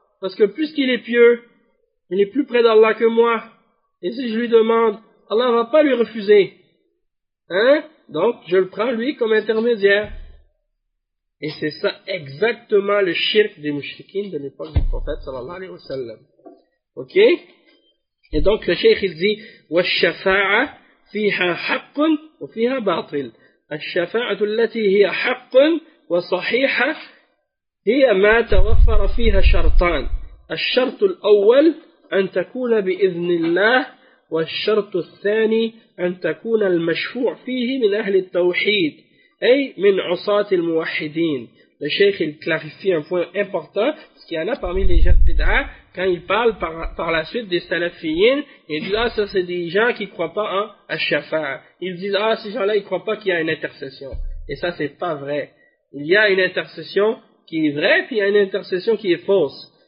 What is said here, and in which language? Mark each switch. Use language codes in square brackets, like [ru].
[fr] Parce que puisqu'il est pieux, il est plus près d'Allah que moi. Et si je lui demande, Allah ne va pas lui refuser. Hein? Donc, je le prends lui comme intermédiaire. Et c'est ça exactement le shirk des mushrikins de l'époque du prophète, sallallahu alayhi wa sallam. Ok? Et donc, le shaykh, il dit, [ar] « Wa shafa'a » فيها حق وفيها باطل الشفاعة التي هي حق وصحيحة هي ما توفر فيها شرطان الشرط الأول أن تكون بإذن الله والشرط الثاني أن تكون المشفوع فيه من أهل التوحيد أي من عصاة الموحدين [fr] Le cheikh, il clarifie un point important, parce qu'il y en a parmi les gens de Bid'a, quand il parle par la suite des salafiyins, il dit, ah, ça c'est des gens qui ne croient pas en Ash-Shafa. Ils disent, ah, ces gens-là, ils ne croient pas qu'il y a une intercession. Et ça, ce n'est pas vrai. Il y a une intercession qui est vraie, puis il y a une intercession qui est fausse.